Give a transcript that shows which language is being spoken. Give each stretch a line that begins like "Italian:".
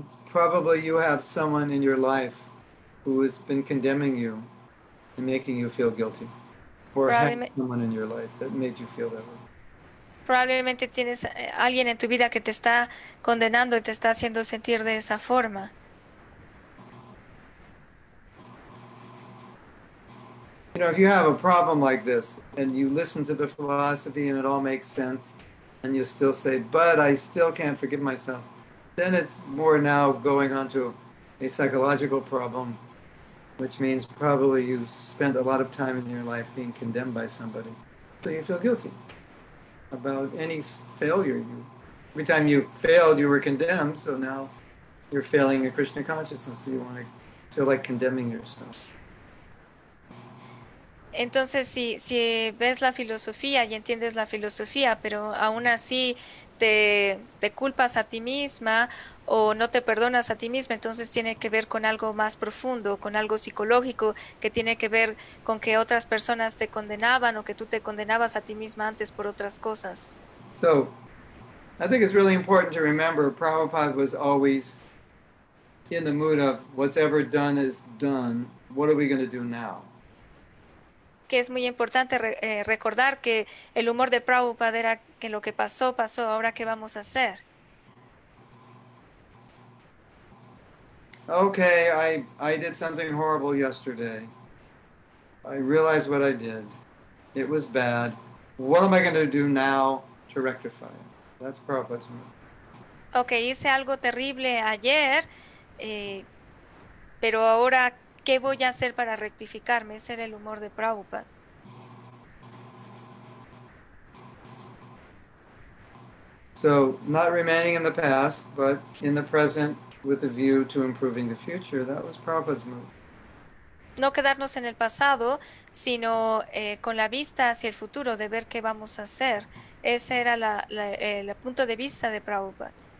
English: Probably you have someone in your life who has been condemning you and making you feel guilty, or had someone in your life that made you feel that way.
Spanish: Probablemente tienes alguien en tu vida que te está condenando y te está haciendo sentir de esa forma.
English: You know, if you have a problem like this and you listen to the philosophy and it all makes sense and you still say, but I still can't forgive myself, then it's more now going on to a psychological problem, which means probably you've spent a lot of time in your life being condemned by somebody. So you feel guilty about any failure. Every time you failed, you were condemned, so now you're failing a Krishna consciousness, so you want to feel like condemning yourself.
Spanish: Entonces, si ves la filosofía y entiendes la filosofía, pero aún así te culpas a ti misma o no te perdonas a ti misma, entonces tiene que ver con algo más profundo, con algo psicológico, que tiene que ver con que otras personas te condenaban o que tú te condenabas a ti misma antes por otras cosas.
English: So, I think it's really important to remember Prabhupada was always in the mood of what's ever done is done, what are we going to do now?
Spanish: Que es muy importante recordar que el humor de Prabhupada era que lo que pasó, pasó, ahora ¿qué vamos a hacer?
English: Okay, I did something horrible yesterday. I realized what I did. It was bad. What am I going to do now to rectify it? That's Prabhupada's mood.
Spanish: Okay, hice algo terrible ayer, pero ahora ¿qué voy a hacer para rectificarme? Ese era el humor de Prabhupada.
English: So, not remaining in the past, but in the present with a view to improving the future, that was Prabhupada's move.
Spanish: No quedarnos en el pasado, sino con la vista hacia el futuro, de ver qué vamos a hacer. Ese era el punto de vista de Prabhupada.